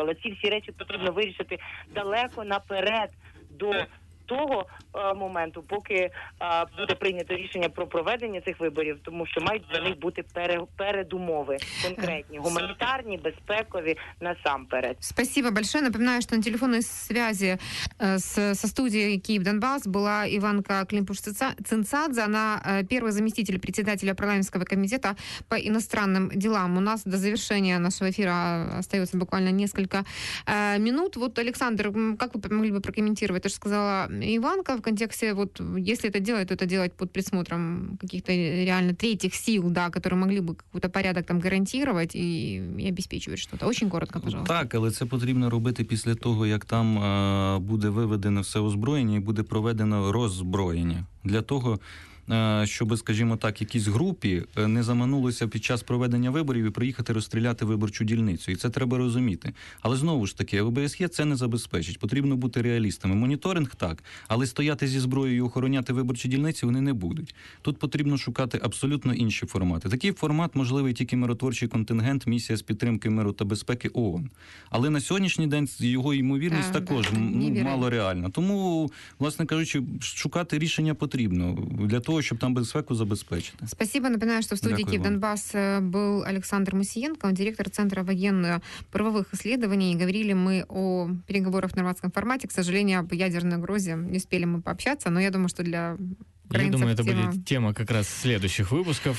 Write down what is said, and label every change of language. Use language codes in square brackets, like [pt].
[uk] Але ці всі речі потрібно вирішити далеко наперед до того моменту, поки буде прийнято рішення про проведення цих виборів, тому що мають для них бути передумови конкретні, гуманітарні, безпекові насамперед. [ru] Спасибо большое. Напоминаю, что на телефонной связи со студией Киев-Донбасс была Иванка Климпуш-Цинцадзе. Она первый заместитель председателя парламентского комитета по иностранным делам. У нас до завершения нашего эфира остается буквально несколько минут. Вот, Александр, как вы могли бы прокомментировать? Ты же сказала, Иванка, в контексте, вот, если это делать, то это делать под присмотром каких-то реально третьих сил, да, которые могли бы какой-то порядок там гарантировать и обеспечивать что-то. Очень коротко, пожалуйста. [uk] Так, але це потрібно робити після того, як там буде виведено все озброєння і буде проведено роззброєння. Для того, щоб, скажімо так, якісь групи не заманулися під час проведення виборів і приїхати розстріляти виборчу дільницю. І це треба розуміти. Але знову ж таки, ОБСЄ це не забезпечить. Потрібно бути реалістами. Моніторинг – так, але стояти зі зброєю і охороняти виборчі дільниці вони не будуть. Тут потрібно шукати абсолютно інші формати. Такий формат можливий тільки миротворчий контингент, місія з підтримки миру та безпеки ООН. Але на сьогоднішній день його ймовірність також мало реальна. Тому, власне кажучи, шукати рішення потрібно для того, [ru] чтобы там [uk] безпеку [ru] обеспечить. Спасибо. Напоминаю, что в студии Киев-Донбасс был Александр Мусиенко, он директор Центра военно-правовых исследований. И говорили мы о переговорах в нормандском формате. К сожалению, об ядерной угрозе не успели мы пообщаться, но я думаю, что для украинцев... Я думаю, это будет тема как раз следующих выпусков.